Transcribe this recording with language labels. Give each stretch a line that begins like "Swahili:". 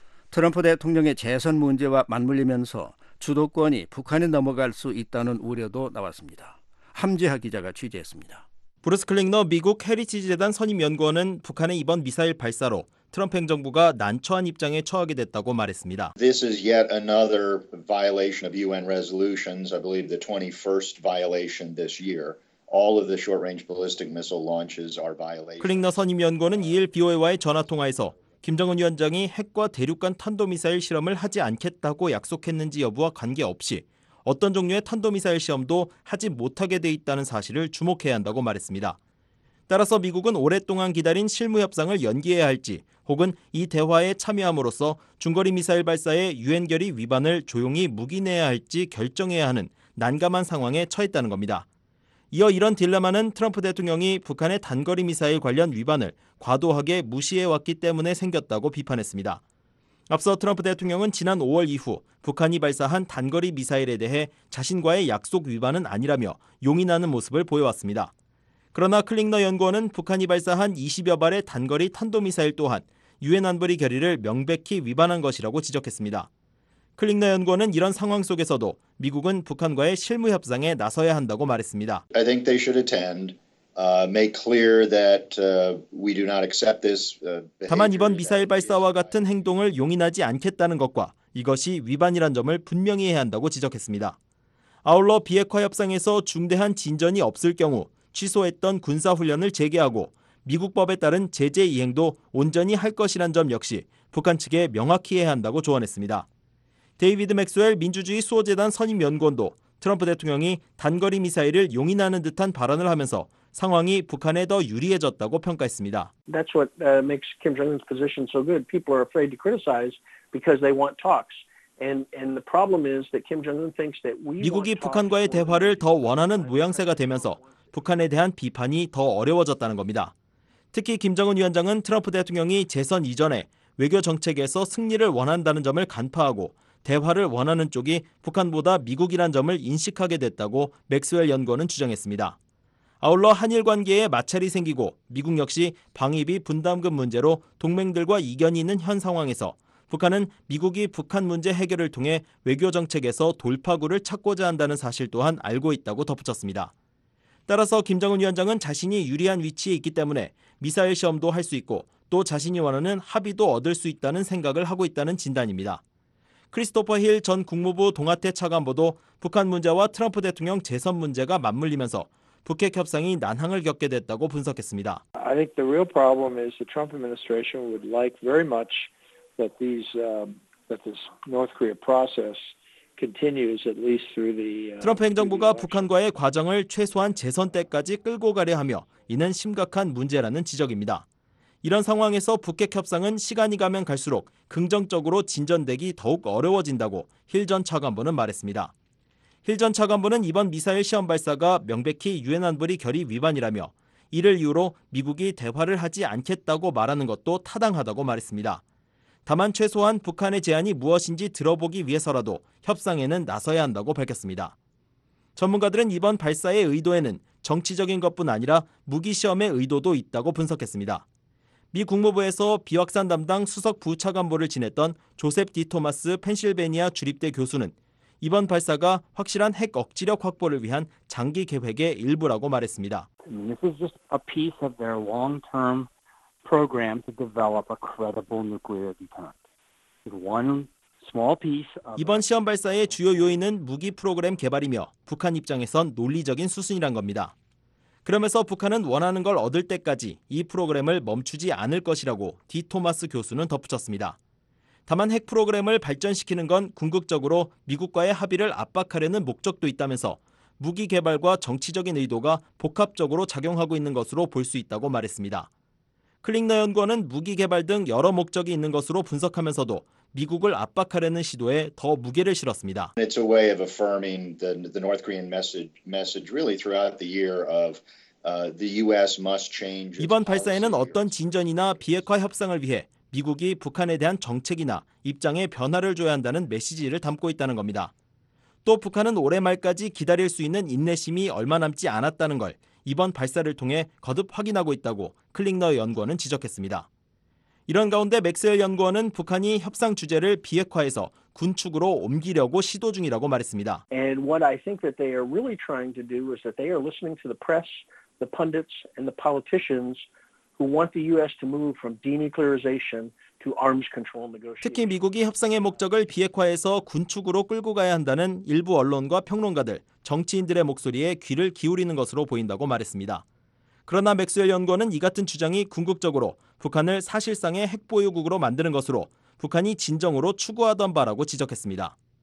Korean: 트럼프 대통령의 재선 문제와 맞물리면서 주도권이 북한에 넘어갈 수 있다는 우려도 나왔습니다. 함재하 기자가 취재했습니다. 브루스 클링너 미국 헤리티지 재단 선임연구원은 북한의 이번 미사일 발사로 트럼프 행정부가 난처한 입장에 처하게 됐다고 말했습니다.
English: This is yet another violation of UN resolutions. I believe the 21st violation this year. All of the short-range ballistic missile launches are violations.
Korean: 클링너 선임연구원은 이일 BOA와의 전화 통화에서 김정은 위원장이 핵과 대륙간 탄도미사일 실험을 하지 않겠다고 약속했는지 여부와 관계없이 어떤 종류의 탄도미사일 시험도 하지 못하게 돼 있다는 사실을 주목해야 한다고 말했습니다. 따라서 미국은 오랫동안 기다린 실무협상을 연기해야 할지 혹은 이 대화에 참여함으로써 중거리 미사일 발사의 유엔 결의 위반을 조용히 묵인해야 할지 결정해야 하는 난감한 상황에 처했다는 겁니다. 이어 이런 딜레마는 트럼프 대통령이 북한의 단거리 미사일 관련 위반을 과도하게 무시해왔기 때문에 생겼다고 비판했습니다. 앞서 트럼프 대통령은 지난 5월 이후 북한이 발사한 단거리 미사일에 대해 자신과의 약속 위반은 아니라며 용인하는 모습을 보여왔습니다. 그러나 클링너 연구원은 북한이 발사한 20여 발의 단거리 탄도미사일 또한 유엔 안보리 결의를 명백히 위반한 것이라고 지적했습니다. 클링너 연구원은 이런 상황 속에서도 미국은 북한과의 실무 협상에 나서야 한다고 말했습니다.
English: I think they should attend. Make clear that we do not accept this.
Korean: 다만 이번 미사일 발사와 같은 행동을 용인하지 않겠다는 것과 이것이 위반이란 점을 분명히 해야 한다고 지적했습니다. 아울러 비핵화 협상에서 중대한 진전이 없을 경우 취소했던 군사 훈련을 재개하고 미국법에 따른 제재 이행도 온전히 할 것이란 점 역시 북한 측에 명확히 해야 한다고 조언했습니다. 데이비드 맥스웰 민주주의 수호재단 선임연구원도 트럼프 대통령이 단거리 미사일을 용인하는 듯한 발언을 하면서 상황이 북한에 더 유리해졌다고 평가했습니다.
English: That's what makes Kim Jong-un's position so good. People are afraid to criticize because they want talks.
Korean: 미국이 북한과의 대화를 더 원하는 모양새가 되면서 북한에 대한 비판이 더 어려워졌다는 겁니다. 특히 김정은 위원장은 트럼프 대통령이 재선 이전에 외교 정책에서 승리를 원한다는 점을 간파하고 대화를 원하는 쪽이 북한보다 미국이란 점을 인식하게 됐다고 맥스웰 연구원은 주장했습니다. 아울러 한일 관계에 마찰이 생기고 미국 역시 방위비 분담금 문제로 동맹들과 이견이 있는 현 상황에서 북한은 미국이 북한 문제 해결을 통해 외교 정책에서 돌파구를 찾고자 한다는 사실 또한 알고 있다고 덧붙였습니다. 따라서 김정은 위원장은 자신이 유리한 위치에 있기 때문에 미사일 시험도 할 수 있고 또 자신이 원하는 합의도 얻을 수 있다는 생각을 하고 있다는 진단입니다. 크리스토퍼 힐 전 국무부 동아태 차관보도 북한 문제와 트럼프 대통령 재선 문제가 맞물리면서 북핵 협상이 난항을 겪게 됐다고 분석했습니다.
English: I think the real problem is the Trump administration would like very much that these that this North Korea process continues at least through the
Korean: 트럼프 행정부가 북한과의 과정을 최소한 재선 때까지 끌고 가려 하며 이는 심각한 문제라는 지적입니다. 이런 상황에서 북핵 협상은 시간이 가면 갈수록 긍정적으로 진전되기 더욱 어려워진다고 힐 전 차관보는 말했습니다. 힐 전 차관보는 이번 미사일 시험 발사가 명백히 유엔 안보리 결의 위반이라며 이를 이유로 미국이 대화를 하지 않겠다고 말하는 것도 타당하다고 말했습니다. 다만 최소한 북한의 제안이 무엇인지 들어보기 위해서라도 협상에는 나서야 한다고 밝혔습니다. 전문가들은 이번 발사의 의도에는 정치적인 것뿐 아니라 무기시험의 의도도 있다고 분석했습니다. 미 국무부에서 비확산 담당 수석 부차관보를 지냈던 조셉 디토마스 펜실베니아 주립대 교수는 이번 발사가 확실한 핵 억지력 확보를 위한 장기 계획의 일부라고 말했습니다.
English: This is just a piece of their long-term program to develop a credible nuclear deterrent. One small piece of
Korean: 이번 시험 발사의 주요 요인은 무기 프로그램 개발이며 북한 입장에선 논리적인 수순이란 겁니다. 그러면서 북한은 원하는 걸 얻을 때까지 이 프로그램을 멈추지 않을 것이라고 디토마스 교수는 덧붙였습니다. 다만 핵 프로그램을 발전시키는 건 궁극적으로 미국과의 합의를 압박하려는 목적도 있다면서 무기 개발과 정치적인 의도가 복합적으로 작용하고 있는 것으로 볼 수 있다고 말했습니다. 클링너 연구원은 무기 개발 등 여러 목적이 있는 것으로 분석하면서도 미국을 압박하려는 시도에 더 무게를 실었습니다.
English: It's a way of affirming the North Korean message really throughout the year of the U.S. must change.
Korean: 이번 발사에는 어떤 진전이나 비핵화 협상을 위해 미국이 북한에 대한 정책이나 입장에 변화를 줘야 한다는 메시지를 담고 있다는 겁니다. 또 북한은 올해 말까지 기다릴 수 있는 인내심이 얼마 남지 않았다는 걸 이번 발사를 통해 거듭 확인하고 있다고 클링너 연구원은 지적했습니다. 이런 가운데 맥스웰 연구원은 북한이 협상 주제를 비핵화해서 군축으로 옮기려고 시도 중이라고 말했습니다.
English: And what I think that they are really trying to do is that they are listening to the press, the pundits and the politicians who want the US to move from denuclearization to arms control negotiations.
Korean: 특히 미국이 협상의 목적을 비핵화해서 군축으로 끌고 가야 한다는 일부 언론과 평론가들, 정치인들의 목소리에 귀를 기울이는 것으로 보인다고 말했습니다. 그러나 맥스웰 연구원은 이 같은 주장이 궁극적으로 북한을 사실상의 핵 보유국으로 만드는 것으로 북한이 진정으로 추구하던 바라고 지적했습니다.